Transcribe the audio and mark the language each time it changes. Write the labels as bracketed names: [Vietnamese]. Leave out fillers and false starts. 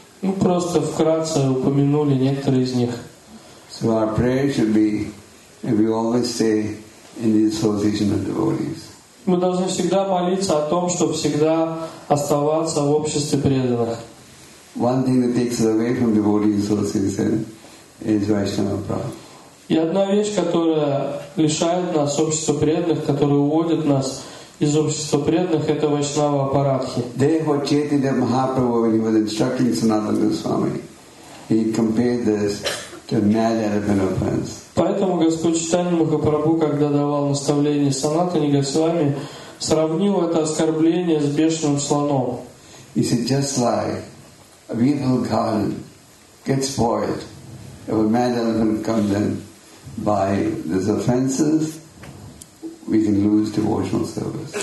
[Russian] Мы просто вкратце упомянули некоторые из них. [English] So our prayer should be, and we always say, in the association of devotees. [Russian] Мы должны всегда молиться о том, чтобы всегда оставаться в обществе преданных. [English] One thing that takes us away from devotee association is Vaishnava Prabhu. [Russian] И одна вещь, которая лишает нас общества преданных, которая уводит нас из общества преданных, это Вайшнава Апарадхи. [English] Therefore, Chaitanya Mahaprabhu, when he was instructing Sanatana Goswami, he compared this to mad elephant offense. [Russian] Поэтому Господь Чайтанья Махапрабху, когда давал наставление Санатане Госвами, сравнил это оскорбление с бешеным слоном. [English] He said, just like a beautiful garden gets spoiled if a mad elephant comes in by these offenses, we can lose devotional service.